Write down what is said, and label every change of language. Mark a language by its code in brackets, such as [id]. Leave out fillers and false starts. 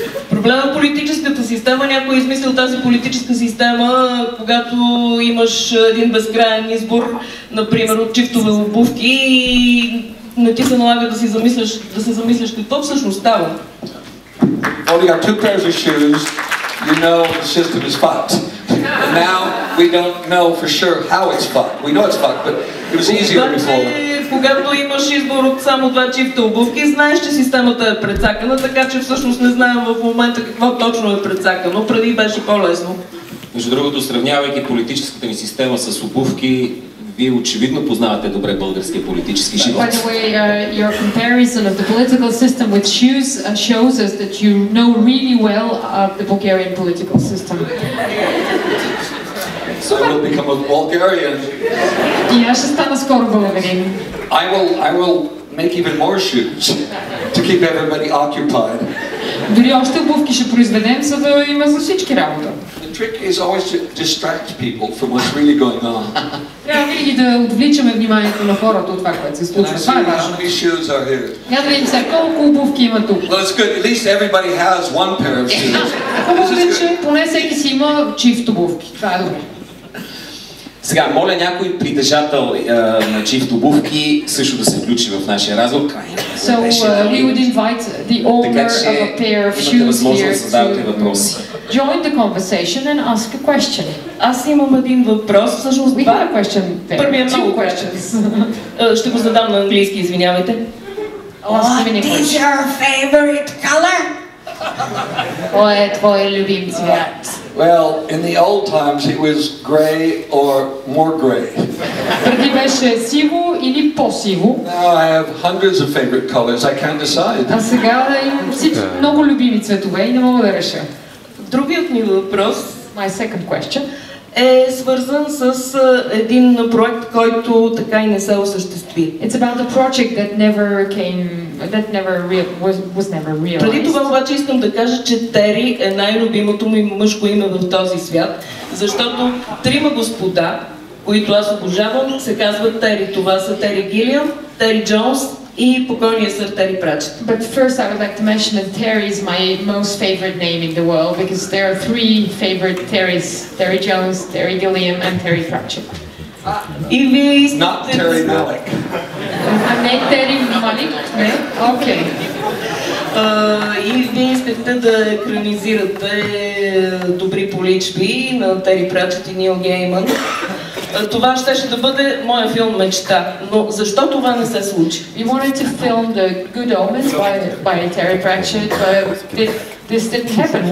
[bg] Проблемът е политическата система. Някой е измислил тази политическа система, когато имаш един безкраен избор, например, от чифтове обувки и не ти се налага да се замислиш какво всъщност става. [en] Only got 2 pairs of shoes, you know the system is fucked. And now we don't know for sure how it's fucked. We know it's fucked, but it was easier before. [bg] Когато имаш избор от само 2 чифта обувки, знаеш, че системата е прецакана, така че всъщност не знаем в момента какво точно е прецакано. Преди беше по-лесно. Между другото, сравнявайки политическата ни система с обувки, вие очевидно познавате добре българския политически живот. [en] By the way, your comparison of the political system with shoes shows us that you know really well the Bulgarian political system. So I will become a Bulgarian. [bg] И аз ще стана скоро българин. [en] I will make even more shoes to keep everybody occupied. [bg] Дори още обувки ще произведем, за да има за всички работа. [en] The trick is always to distract people from what's really going on. [bg] Трябва винаги да отвличаме вниманието на хората от това, което се случва. Това е важно. [en] How many shoes are here? [bg] Я да видим сега колко обувки има тук. [en] Well, it's good. At least everybody has one pair of shoes. [bg] Хубаво е, че поне всеки си има чифт обувки. Това е добре. Сега, моля някой притежател на чифт обувки също да се включи в нашия разговор. [en] So, we would invite the owner of a pair of shoes here to join the conversation and ask a question. [bg] Аз имам един въпрос, всъщност [en] два. We have a question there. [bg] Първият много questions. Ще го задам на английски, извинявайте. [en] What is your favorite color? [bg] Кой е твой любим цвят? [en] Well, in the old times it was gray or more gray. [bg] Преди беше сиво или по-сиво. [en] Now I have hundreds of favorite colors. I can't decide. [bg] А сега имам много любими цветове и не мога да реша. Другият ми въпрос, [en] my second question, [bg] е свързан с един проект, който така и не се осъществи. [en] It's about a project that never came, that never was never realized. [bg] Преди това обаче искам да кажа, че Тери е най-любимото ми мъжко име в този свят, защото трима господа, които аз обожавам, се казват Тери. Това са Тери Гилиам, Тери Джонс и покойния сър Тери Прачет. [en] But first I would like to mention that Terry is my most favorite name in the world because there are three favorite Terrys: Terry Jones, Terry Gilliam and Terry Pratchett. [bg] И вие искате... [en] Not Terry Malick. [bg] Не Терри Малик? Не? Окей. И вие искахте да екранизирате Добри поличби на Тери Прачет и Нил Гейман. Това щеше да бъде моя филм мечта, но защо това не се случи? [en] We wanted to film The Good Omens by Terry Pratchett, but this didn't happen.